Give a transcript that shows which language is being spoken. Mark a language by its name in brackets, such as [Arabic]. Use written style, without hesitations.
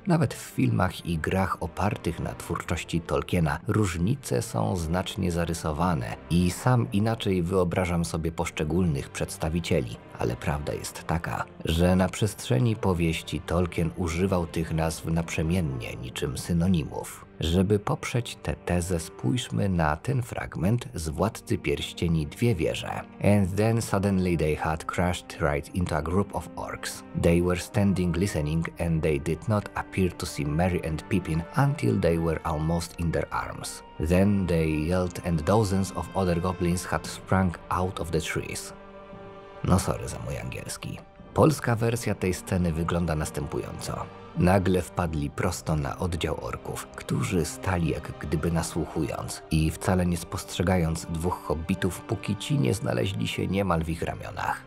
[Polish] Nawet w filmach i grach opartych na twórczości Tolkiena różnice są znacznie zarysowane i sam inaczej wyobrażam sobie poszczególnych przedstawicieli. Ale prawda jest taka, że na przestrzeni powieści Tolkien używał tych nazw naprzemiennie, niczym synonimów. Żeby poprzeć tę tezę, spójrzmy na ten fragment z Władcy Pierścieni Dwie Wieże. [English] And then suddenly they had crashed right into a group of orcs. They were standing listening and they did not appear to see Merry and Pippin until they were almost in their arms. Then they yelled and dozens of other goblins had sprung out of the trees. [Polish] No sorry za mój angielski. Polska wersja tej sceny wygląda następująco. Nagle wpadli prosto na oddział orków, którzy stali jak gdyby nasłuchując i wcale nie spostrzegając dwóch hobbitów, póki ci nie znaleźli się niemal w ich ramionach.